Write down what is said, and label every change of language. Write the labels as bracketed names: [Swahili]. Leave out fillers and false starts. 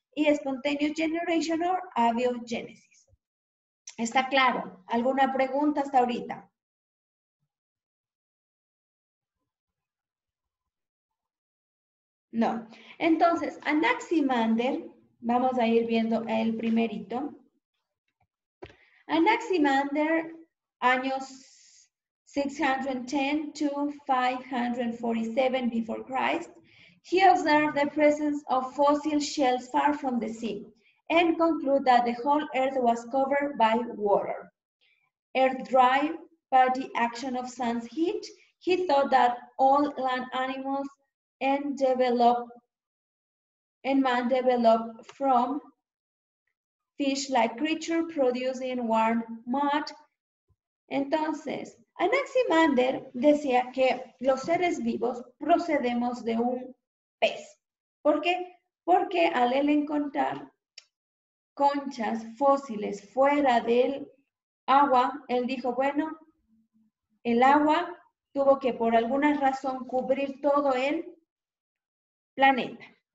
[Spanish] Y [English] spontaneous generation or [Spanish] abiogénesis. ¿Está claro? ¿Alguna pregunta hasta ahorita? No. Entonces, Anaximander, vamos a ir viendo el primerito. [English] Anaximander, años 610 to 547 before Christ, he observed the presence of fossil shells far from the sea and concluded that the whole earth was covered by water. Earth dry by the action of sun's heat, he thought that all land animals and man developed from fish-like creature producing warm mud. [Spanish] Entonces, Anaximander decía que los seres vivos procedemos de un pez. ¿Por qué? Porque al él encontrar conchas fósiles fuera del agua, él dijo, bueno, el agua tuvo que por alguna razón cubrir todo el planeta.